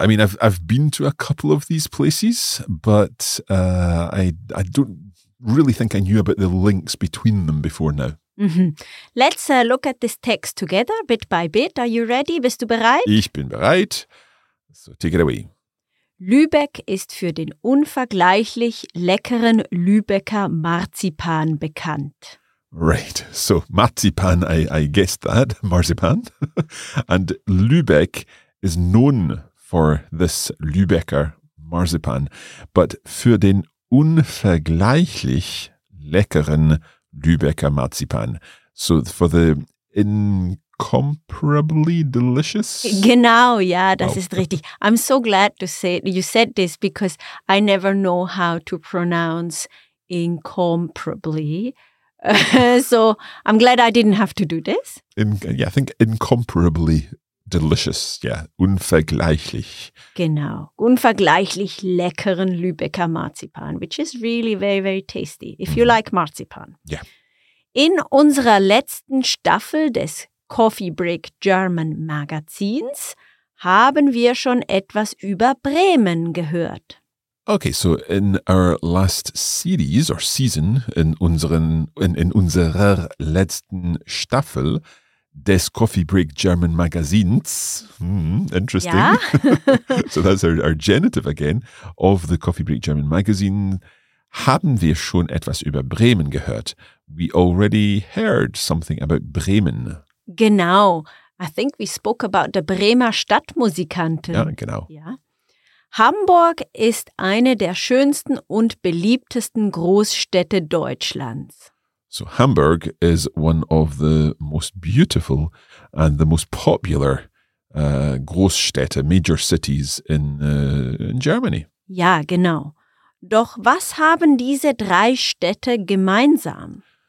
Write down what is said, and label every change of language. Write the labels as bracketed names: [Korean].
[English] I mean, I've been to a couple of these places, but I don't really think I knew about the links between them before now. Mm-hmm. Let's look at this text together, bit by bit. Are you ready? [German] Bist du bereit? Ich bin bereit. [English] So, take it away. [German] Lübeck ist für den unvergleichlich leckeren Lübecker Marzipan bekannt. [English] Right, so Marzipan, I guessed that, Marzipan. And Lübeck is known for this Lübecker Marzipan, but [German] für den unvergleichlich leckeren Lübecker Marzipan. [English] So for the incomparably delicious? [German] Genau, ja, das ist richtig. [English] I'm so glad to say you said this because I never know how to pronounce incomparably. So I'm glad I didn't have to do this. I think incomparably delicious, yeah. [German] Unvergleichlich. Genau. Unvergleichlich leckeren Lübecker Marzipan, [English] which is really very, very tasty, if you like Marzipan. Yeah. [German] In unserer letzten Staffel des Coffee Break German Magazins haben wir schon etwas über Bremen gehört. [English] Okay, so in our last series or season [German] in unserer letzten Staffel des Coffee Break German Magazins, [English] interesting. Yeah. So that's our genitive again, of the Coffee Break German Magazine, [German] haben wir schon etwas über Bremen gehört. [English] We already heard something about Bremen. [German] Genau. [English] I think we spoke about the Bremer Stadtmusikanten. [German] Ja, genau. Ja. Hamburg ist eine der schönsten und beliebtesten Großstädte Deutschlands. [English] So Hamburg is one of the most beautiful and the most popular Großstädte, major cities in Germany. [German] Ja, genau. Doch was haben diese drei Städte gemeinsam?